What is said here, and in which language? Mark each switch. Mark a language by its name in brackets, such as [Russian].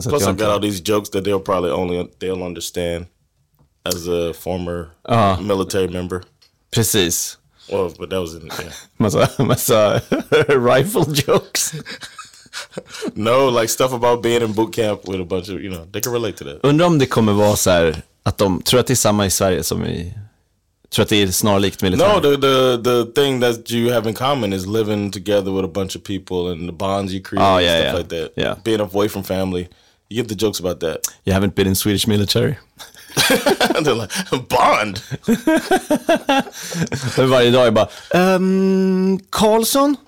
[English] Plus, I've got all these jokes that they'll probably only they'll understand as a former military member. [Swedish] Precis. [English] Well, but that was in. Yeah. [Swedish] massa [English] rifle jokes. No, like stuff about being in boot camp with a bunch of, you know, they can relate to that. [Swedish] Undrar om det kommer vara så här att de tror att det är samma i Sverige som i tror att det är snarlikt militär. [English] No, the thing that you have in common is living together with a bunch of people and the bonds you create and stuff like that. Yeah. Being away from family. You give the jokes about that. You haven't been in Swedish military? They're like, bond. [Swedish] Varje dag är bara, Carlson?